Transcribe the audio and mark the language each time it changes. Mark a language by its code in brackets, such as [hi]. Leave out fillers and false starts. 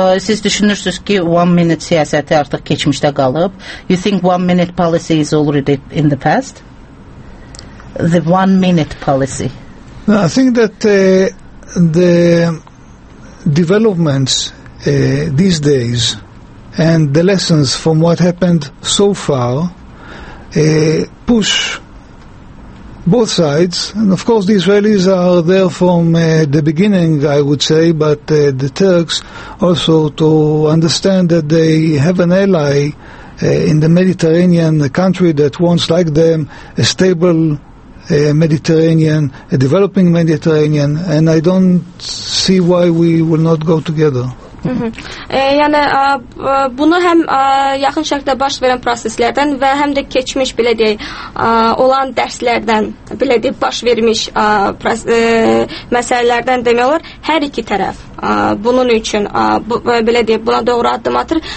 [az] Siz düşünürsünüz ki, one minute siyasəti artıq keçmişdə qalıb. [en] You think one minute policy is already in the past? The one minute policy. No, I think that the developments these days and the lessons from what happened so far push both sides, and of course the Israelis are there from the beginning, I would say, but the Turks also to understand that they have an ally in the Mediterranean, a country that wants, like them, a stable Mediterranean, a developing Mediterranean, and I don't see why we will not go together. [az] Yəni bunu həm yaxın şərqdə baş verən proseslərdən və həm də keçmiş belə deyək olan dərslərdən belə deyək baş vermiş məsələlərdən demək olar hər iki tərəf bunun üçün belə deyək buna doğru addım atır.